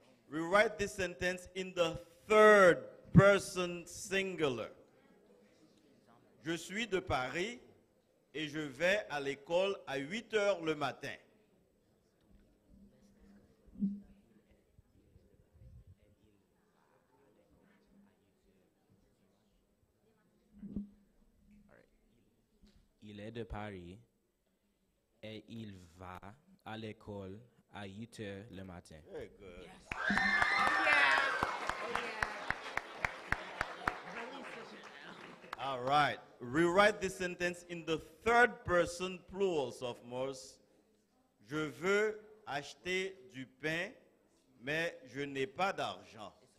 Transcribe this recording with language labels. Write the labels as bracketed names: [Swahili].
[English] Rewrite this sentence in the third person singular. [French] Je suis de Paris et je vais à l'école à 8 heures le matin. Il est de Paris et il va à l'école à 8 heures le matin. [English] Very good. Yes. Oh yeah. Oh yeah. All right. Rewrite this sentence in the third person plural, sophomores. [French] Je veux acheter du pain, mais je n'ai pas d'argent.